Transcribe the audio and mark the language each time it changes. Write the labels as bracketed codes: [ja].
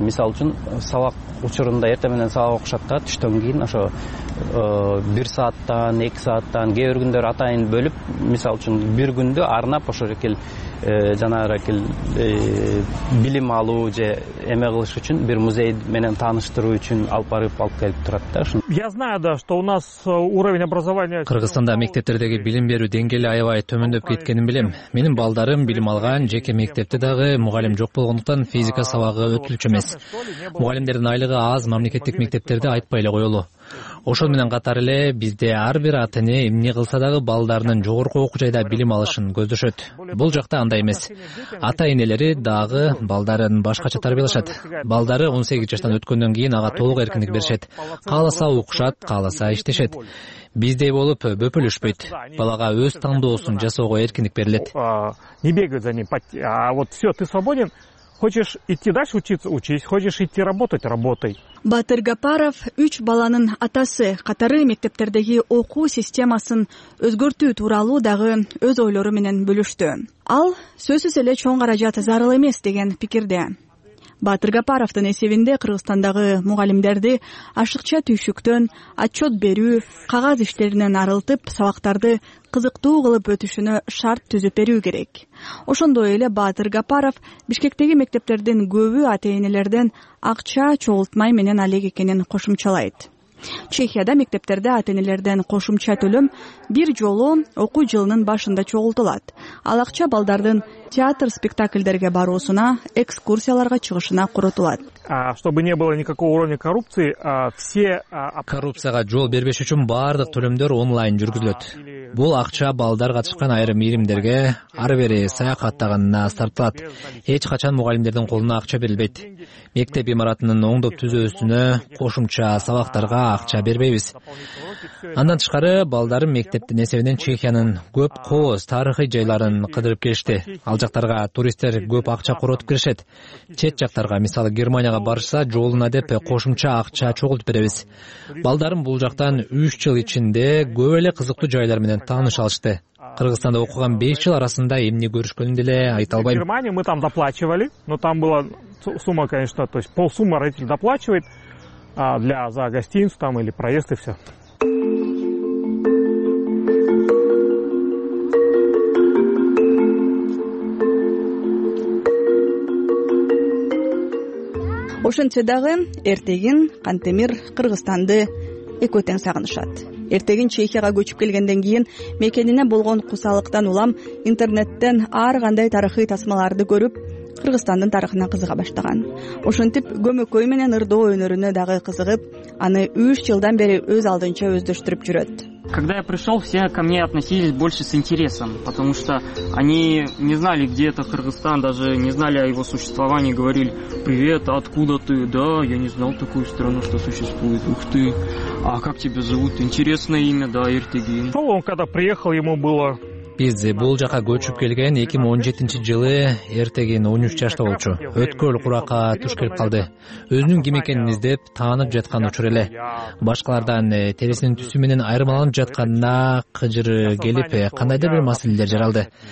[ky] Мисалы үчүн, сабак учурунда эртең менен сабак окушат да, түштөн кийин ошо 1 сааттан, 2 сааттан кээ бир күндөр атайын бөлүп, мисалы үчүн, бир күндү арнап ошол эле билим алуу же эме кылыш үчүн бир музей менен тааныштыруу үчүн алып барып алып келип турат да. [ru] Я знаю да, что у нас уровень образования. [ky] Кыргызстанда мектептердеги билим берүү деңгээли аябай төмөндөп кеткенин билем. Менин балдарым билим алган, жеке мектепте дагы мугалим жок болгондуктан физика сабагы өтүлчү эмес. Мугалимдердин айлыгы аз, мамлекеттик мектептерде айтпай эле коёлу. Ошол менен катар эле бизде ар бир ата-эне эмне кылса дагы балдарынын жогорку окуу жайда билим алышын көздөшөт. Бул жакта андай эмес. Ата-энелери дагы балдарын башкача тарбиялашат. Балдары 18 жаштан өткөндөн кийин ага толук эркиндик беришет. Кааласа окушат, кааласа иштешет. Биздей болуп бөпөлөшпөйт. Балага өз тандоосун жасоого эркиндик берилет. [ru] Не бегают за ним. А вот все, ты свободен. Хочешь идти дальше учиться, учись. Хочешь идти работать, работай. [ky] Батыр Гапаров 3 баланын атасы, катары мектептердеги окуу системасын өзгөртүү тууралуу дагы өз ойлору менен бөлүштү. Ал сөзсүз эле чоң каражат зарыл эмес деген пикирде. Батыр Гапаровдун эсебинде Кыргызстандагы мугалимдерди ашыкча түйшүктөн, отчет берүү, кагаз иштеринен арылтып, сабактарды кызыктуу кылып өтүшүнө шарт түзүп берүү керек. Ошондой эле Батыр Гапаров Бишкектеги мектептердин көбү ата-энелерден акча чогултмай менен алек экенин кошумчалайт. Чехияда мектептерде ата-энелерден кошумча төлөм бир жолу окуу жылынын башында чогултулат. Ал акча балдардын театр спектакльдерге баруусуна, экскурсияларга чыгышына куротулат. [ru] Чтобы не было никакого уровня коррупции, все... [ky] Коррупцияга жол бербеш үчүн баардык төлөмдөр онлайн жүргүзүлөт. Бул акча балдар катышкан айрым ийримдерге ар бири саякаттаганына сарпталат. Эч качан мугалимдердин колуна акча берилбейт. Мектеп имаратынын оңдоп түзөөсүнө кошумча сабактарга акча бербейбиз. Андан тышкары балдарым мектептин эсебинен Чехиянын көп кооз тарыхый жайларын кыдырып келишти. Ал жактарга туристтер көп акча коротуп киришет. Чет жактарга, мисалы Германияга барышса, жолуна деп кошумча акча чогултуп беребиз. Балдарым бул жактан 3 жыл ичинде көп эле кызыктуу жайлар менен тааныша алышты. Кыргызстанда окуган 5 жыл арасында эмне көрүшкөнүн деле айта албайм. [ru] В Германии мы там доплачивали, но там была сумма, конечно, то есть полсумма родитель доплачивает для за гостиницу там или проезд и всё. [ky] Ошентсе дагы эртегин Кантемир Кыргызстанды эко тең сагынышат. Эртегин Чехияга көчүп келгенден кийин мекенине болгон кусалыктан улам интернеттен ар кандай тарыхый тасмаларды көрүп Кыргызстандын тарыхына кызыга баштаган. Ошентип көмөкөй менен ырдоо өнөрүнө дагы кызыгып, аны 3 жылдан бери өз алдынча өздөштүрүп жүрөт. [ru] Когда я пришел, все ко мне относились больше с интересом, потому что они не знали, где это Кыргызстан, даже не знали о его существовании, говорили: «Привет, а откуда ты?» «Да, я не знал такую страну, что существует, ух ты! А как тебя зовут? Интересное имя, да, Эртегин». Ну, он когда приехал, ему было... [ky] Биз бул жака көчүп келген 2017 жылы Эртегин 13 жашта болчу. Өткөл куракка туш келип калды. Өзүнүн ким экенин издеп таанып жаткан учур эле. Башкалардан терисинин түсү менен айырмаланып жатканына кыжыры келип, кандайдыр бир маселелер жаралды.